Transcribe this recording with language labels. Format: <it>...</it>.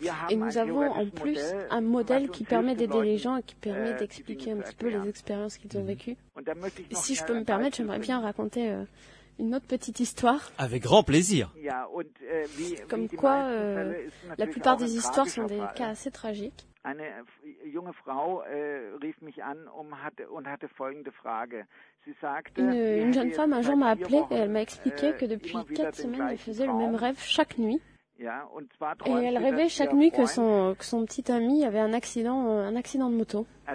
<fr>Et nous avons en plus un modèle qui permet d'aider les gens et qui permet d'expliquer un petit peu les expériences qu'ils ont vécues. Et si je peux me permettre, j'aimerais bien raconter une autre petite histoire. Avec grand plaisir. Comme quoi, la plupart des histoires sont des cas assez tragiques.</fr> <de>Eine junge Frau rief mich an und hatte folgende Frage.</de> <fr>Une jeune femme un jour m'a appelé et elle m'a expliqué que depuis 4 semaines, elle faisait le même rêve chaque nuit. Et elle rêvait chaque nuit que son petit ami avait un accident de moto.</fr>